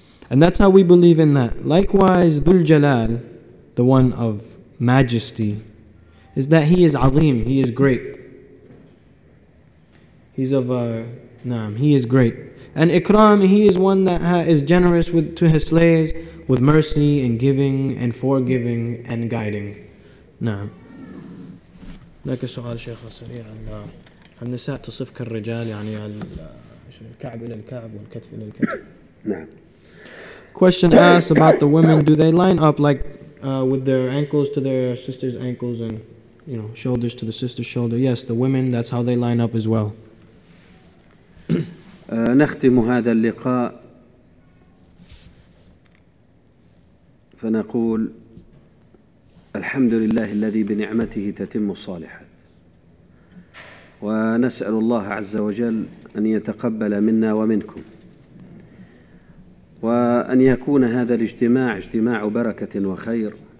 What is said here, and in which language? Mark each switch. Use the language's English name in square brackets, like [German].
[English] And that's how we believe in that. Likewise, Dhul Jalal, the one of majesty, is that He is azim, He is great. He is great. And ikram, He is one that is generous with to His slaves, with mercy and giving and forgiving and guiding. [Arabic] Naam. لك سؤال شيخ سريع عن النساء تصف كالرجال يعني الكعب إلى الكعب والكتف إلى الكتف. نعم. [English] Question asked about the women, do they line up like with their ankles to their sister's ankles and, you know, shoulders to the sister's shoulder? Yes, the women, that's how they line up as well. [Arabic] نختم هذا اللقاء فنقول الحمد لله الذي بنعمته تتم الصالحات، ونسأل الله عز وجل أن يتقبل منا ومنكم، وأن يكون هذا الاجتماع اجتماع بركة وخير.